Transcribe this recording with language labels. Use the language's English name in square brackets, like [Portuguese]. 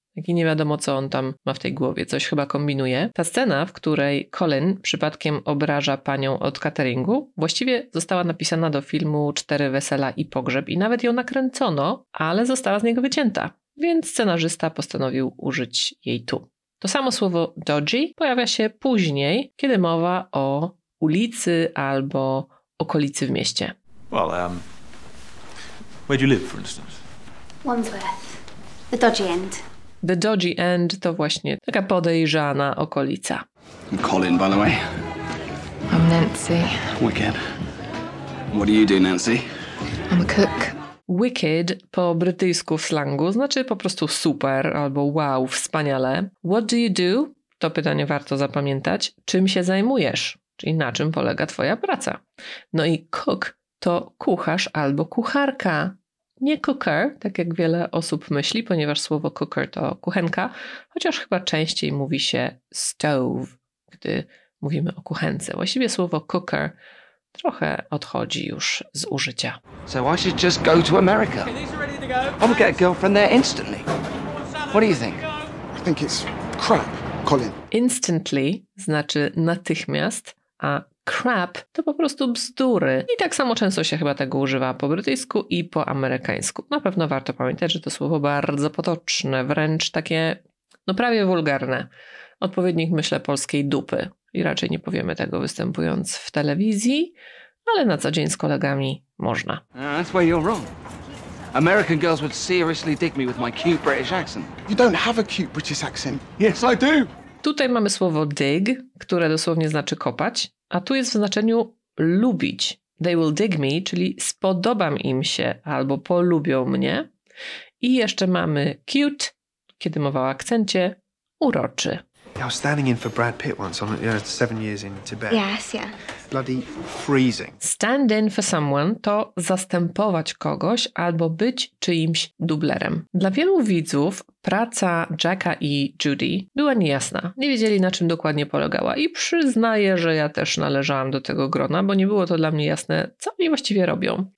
[Polish] Taki nie wiadomo, co on tam ma w tej głowie, coś chyba kombinuje. Ta scena, w której Colin przypadkiem obraża panią od cateringu, właściwie została napisana do filmu Cztery wesela i pogrzeb i nawet ją nakręcono, ale została z niego wycięta. Więc scenarzysta postanowił użyć jej tu. To samo słowo dodgy pojawia się później, kiedy mowa o ulicy albo okolicy w mieście. [English] Well, where do you live, for instance? Wandsworth. The dodgy end. [Polish] The dodgy end to właśnie taka podejrzana okolica. [English] I'm Colin, by the way. I'm Nancy. Wicked. What do you do, Nancy? I'm a cook. [Polish] Wicked po brytyjsku w slangu znaczy po prostu super albo wow, wspaniale. [English] What do you do? [Polish] To pytanie warto zapamiętać. Czym się zajmujesz? Czyli na czym polega twoja praca? No i cook to kucharz albo kucharka. Nie cooker, tak jak wiele osób myśli, ponieważ słowo cooker to kuchenka, chociaż chyba częściej mówi się stove, gdy mówimy o kuchence. Właściwie słowo cooker trochę odchodzi już z użycia. [English] So I should just go to America. I'll get a girlfriend there instantly. What do you think? I think it's crap, Colin. [Polish] Instantly znaczy natychmiast, a crap to po prostu bzdury. I tak samo często się chyba tego używa po brytyjsku i po amerykańsku. Na pewno warto pamiętać, że to słowo bardzo potoczne, wręcz takie, no prawie wulgarne. Odpowiednik, myślę, polskiej dupy. I raczej nie powiemy tego występując w telewizji, ale na co dzień z kolegami można. [English] That's where you're wrong. American girls would seriously dig me with my cute British accent. You don't have a cute British accent. Yes, I do. [Polish] Tutaj mamy słowo dig, które dosłownie znaczy kopać, a tu jest w znaczeniu lubić. [English] They will dig me, [Polish] czyli spodobam im się albo polubią mnie. I jeszcze mamy cute, kiedy mowa o akcencie, uroczy. [English] I was standing in for Brad Pitt once on, you know, 7 years in Tibet. Yes, yeah. Bloody freezing. Stand in for someone [Polish] to zastępować kogoś albo być czyimś dublerem. Dla wielu widzów praca Jacka i Judy była niejasna. Nie wiedzieli, na czym dokładnie polegała. I przyznaję, że ja też należałam do tego grona, bo nie było to dla mnie jasne, co oni właściwie robią.